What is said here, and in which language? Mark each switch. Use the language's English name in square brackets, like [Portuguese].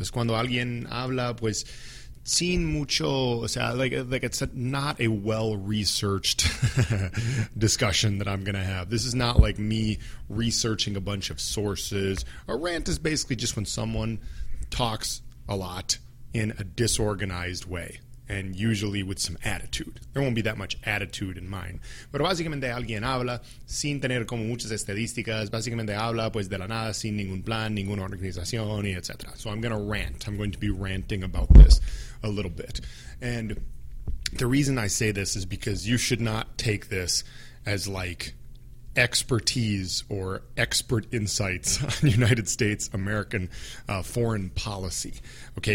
[Spanish] Es cuando alguien habla, pues, sin mucho, o sea, [English] like it's not a well-researched discussion that I'm going to have. This is not like me researching a bunch of sources. A rant is basically just when someone talks a lot in a disorganized way, and usually with some attitude. There won't be that much attitude in mine. [Spanish] Pero básicamente alguien habla sin tener como muchas estadísticas. Básicamente habla pues de la nada, sin ningún plan, ninguna organización, etc. [English] So I'm going to rant. I'm going to be ranting about this a little bit. And the reason I say this is because you should not take this as like expertise or expert insights on United States American foreign policy, okay?